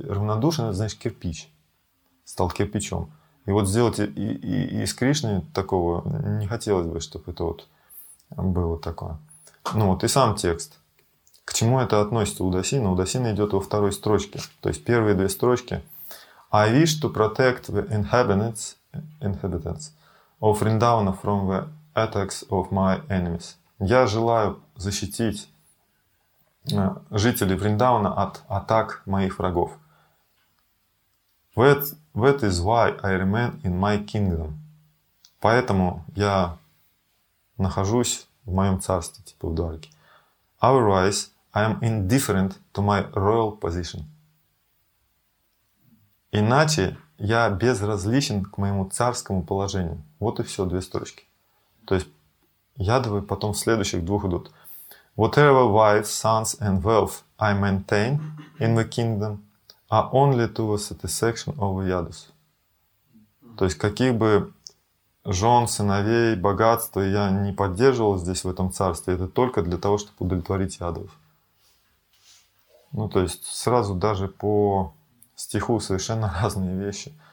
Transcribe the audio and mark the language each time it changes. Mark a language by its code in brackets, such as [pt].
[ru] Равнодушие, значит, кирпич. Стал кирпичом. И вот сделать и с Кришной такого не хотелось бы, чтобы это вот было такое. Ну вот и сам текст. К чему это относится Удасина? Удасина идет во второй строчке. То есть первые две строчки. [en] I wish to protect the inhabitants of Vrindavana from the attacks of my enemies. [ru] Я желаю защитить жителей Вриндавана от атак моих врагов. [en] That is why I remain in my kingdom. [ru] Поэтому я нахожусь в моем царстве, типа в Дварке. [en] Otherwise, I am indifferent to my royal position. [ru] Иначе я безразличен к моему царскому положению. Вот и все, две строчки. То есть, я давай потом в следующих двух идут. [en] Whatever wives, sons and wealth I maintain in the kingdom are only to the satisfaction of the Yadus. [ru] То есть, каких бы жен, сыновей, богатства я не поддерживал здесь, в этом царстве, это только для того, чтобы удовлетворить Ядов. Ну, то есть, сразу даже по стиху совершенно разные вещи.